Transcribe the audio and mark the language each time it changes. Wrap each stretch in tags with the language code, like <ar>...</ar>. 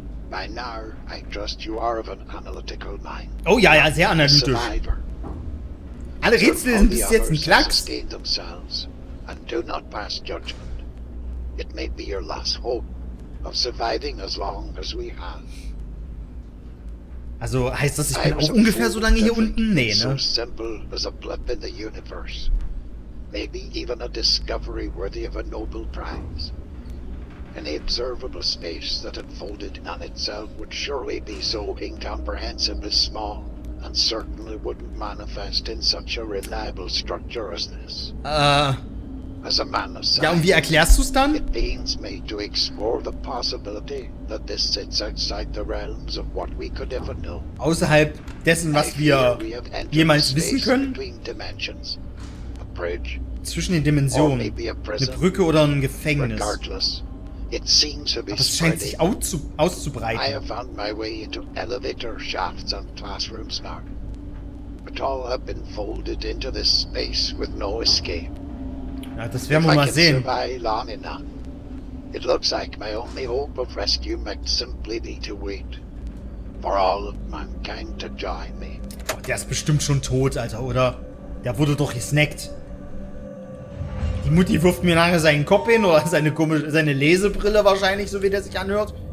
<en>By now, I trust you are of an analytical mind.</en> <de>Oh ja, ja, sehr analytisch. Alle Rätsel sind bis jetzt ein Klacks.</de> <en>Sustain themselves and do not pass judgment. It may be your last hope of surviving as long as we have.</en> <de>Also heißt das, ich bin auch ungefähr so lange hier unten? Nee, ne?</de> <en>So simple as a blip in the universe. Maybe even a discovery worthy of a Nobel Prize. In the observable space that unfolded on itself would surely be so incomprehensibly small. And certainly wouldn't manifest in such a reliable structure as this. as a man of science.</en> <de>Ja, und wie erklärst du es dann?</de> <en>It pains me to explore the possibility that this sits outside the realms of what we could ever know.</en> <de>Außerhalb dessen, was wir jemals wissen können?</de> <en>Between dimensions. A bridge.</en> <de>Zwischen den Dimensionen. Eine Brücke oder ein Gefängnis.</de> <en>Regardless. It seems to be</en> <de>Aber es scheint sich auszubreiten.</de> <en>I have found my way into elevator shafts and classrooms, Mark. But all have been folded into this space with no escape.</en> <de>Ja, das werden wir mal sehen.</de> <en>If I can survive long enough, it looks like my only hope of rescue might simply be to wait for all of mankind to join me.</en> <de>Oh, der ist bestimmt schon tot, Alter, oder? Der wurde doch gesnackt. Die Mutti wirft mir nachher seinen Kopf hin oder seine Lesebrille wahrscheinlich, so wie der sich anhört.</de>